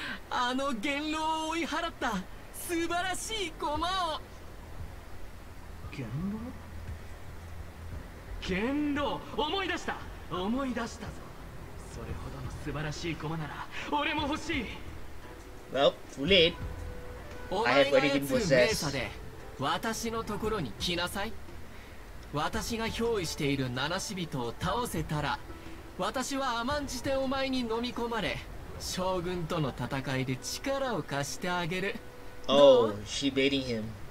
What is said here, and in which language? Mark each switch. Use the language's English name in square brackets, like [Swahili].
[Japanese] あの元老を追い払った素晴らしい駒を。元老？元老、思い出した、思い出したぞ。それほどの素晴らしい駒なら俺も欲しい。 [English] Well, too late. I have already been possessed. [Japanese] お前が奴名差で私のところに来なさい。私が憑依している七死人を倒せたら、私は甘んじてお前に飲み込まれ、将軍との戦いで力を貸してあげる。 [English] Oh, she baiting him.